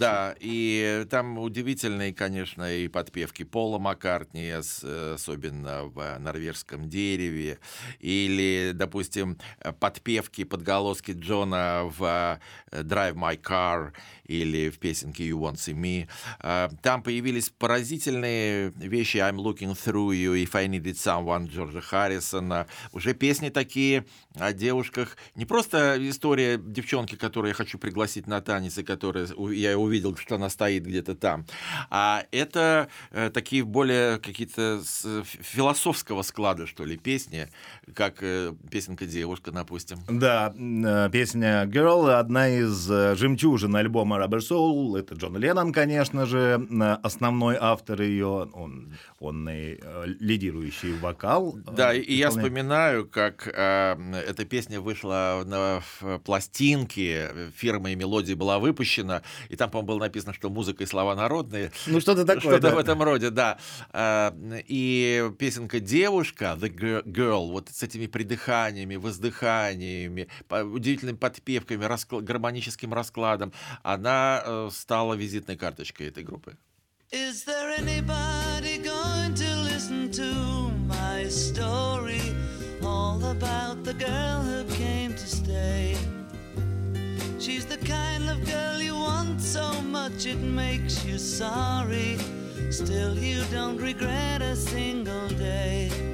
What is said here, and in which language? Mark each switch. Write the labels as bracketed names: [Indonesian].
[Russian] Да, и там удивительные, конечно, и подпевки Пола Маккартни, особенно в «Норвежском дереве», или, допустим, подпевки, подголоски Джона в «Drive My Car» или в песенке «You Won't See Me». Там появились поразительные вещи «I'm looking through you», «If I needed someone» Джорджа Харрисона. Уже песни такие о девушках. Не просто история девчонки, которую я хочу пригласить на танец, и которую я увидел, что она стоит где-то там. А это такие более какие-то философского склада, что ли, песни, как песенка «Девушка», допустим. Да, песня «Girl» — одна из жемчужин альбома «Rubber Soul». Это Джон Леннон, конечно же, основной автор ее. Он и лидирующий вокал. Да, и я вспоминаю, как эта песня вышла на пластинке фирмы «Мелодия» была выпущена, и там, по-моему, было написано, что музыка и слова народные. Ну, что-то такое. Что-то да. В этом роде, да. И песенка «Девушка», «The Girl», вот с этими придыханиями, воздыханиями, удивительными подпевками, гармоническим раскладом, она стала визитной карточкой этой группы. [English] Is there anybody going to listen to my story, all about the girl who came to stay? She's the kind of girl you want so much it makes you sorry, still you don't regret a single day.